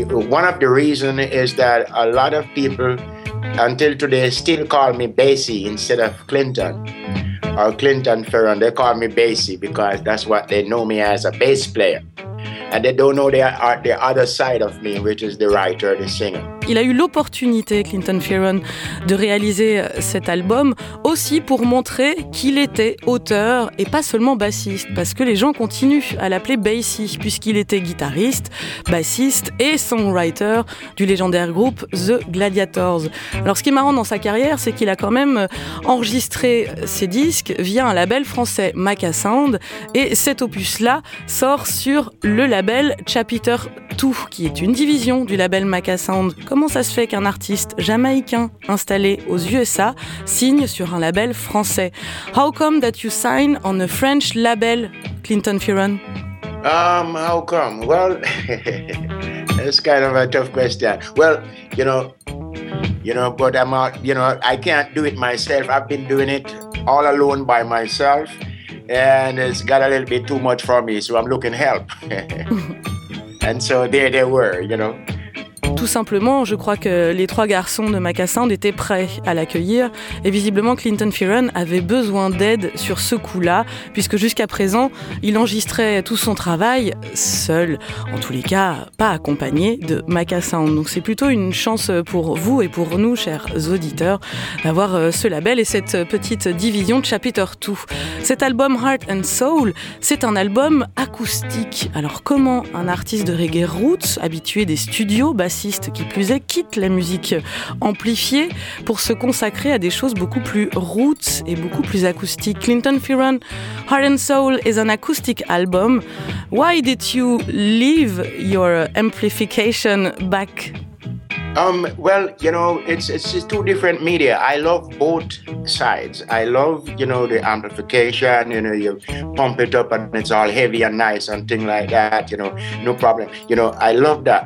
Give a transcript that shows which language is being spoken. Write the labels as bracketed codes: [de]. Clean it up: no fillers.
[en] One of the reasons is that a lot of people until today still call me Basie instead of Clinton. Or Clinton Ferron, they call me Basie because that's what they know me as, a bass player. And they don't know the other side of me, which is the writer, the singer. [fr] Il a eu l'opportunité, Clinton Ferron, de réaliser cet album aussi pour montrer qu'il était auteur et pas seulement bassiste, parce que les gens continuent à l'appeler Basie, puisqu'il était guitariste, bassiste et songwriter du légendaire groupe The Gladiators. Alors ce qui est marrant dans sa carrière, c'est qu'il a quand même enregistré ses disques via un label français, Maca Sound, et cet opus-là sort sur le label Chapter 2, qui est une division du label Maca Sound. Comment ça se fait qu'un artiste jamaïcain installé aux USA signe sur un label français? [en] How come that you sign on a French label, Clinton Ferron? How come? Well, that's kind of a tough question. Well, I can't do it myself. I've been doing it all alone by myself, and it's got a little bit too much for me, so I'm looking help. And so there they were, you know. [fr] Tout simplement, je crois que les trois garçons de Maca Sound étaient prêts à l'accueillir. Et visiblement, Clinton Ferron avait besoin d'aide sur ce coup-là, puisque jusqu'à présent, il enregistrait tout son travail seul. En tous les cas, pas accompagné de Maca Sound. Donc c'est plutôt une chance pour vous et pour nous, chers auditeurs, d'avoir ce label et cette petite division de Chapter 2. Cet album Heart and Soul, c'est un album acoustique. Alors comment un artiste de reggae roots, habitué des studios, qui plus est, quitte la musique amplifiée pour se consacrer à des choses beaucoup plus roots et beaucoup plus acoustiques. [en] Clinton Ferron, Heart and Soul is an acoustic album. Why did you leave your amplification back? Well, you know, it's two different media. I love both sides. I love, you know, the amplification, you know, you pump it up and it's all heavy and nice and thing like that, you know, no problem. You know, I love that.